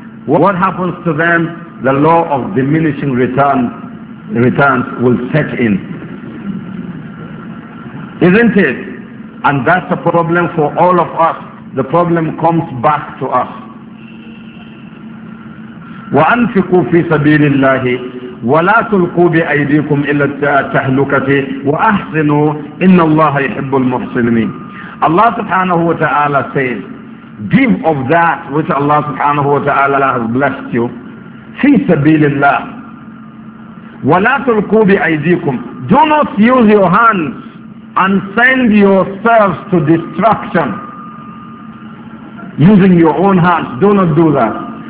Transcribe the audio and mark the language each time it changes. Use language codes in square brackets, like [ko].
[en] What happens to them? The law of diminishing returns will set in. Isn't it? And that's a problem for all of us. The problem comes back to us. [ar] وَأَنْفِقُوا فِي سَبِيلِ اللَّهِ ولا تلقوا بأيديكم إلى التهلكة وأحسنوا إن الله يحب المحسنين. [en] Allah subhanahu wa ta'ala says, give of that which Allah subhanahu wa ta'ala has blessed you [ar] في سبيل الله. ولا تلقوا بأيديكم, [en] do not use your hands and send yourselves to destruction using your own hands, do not do that.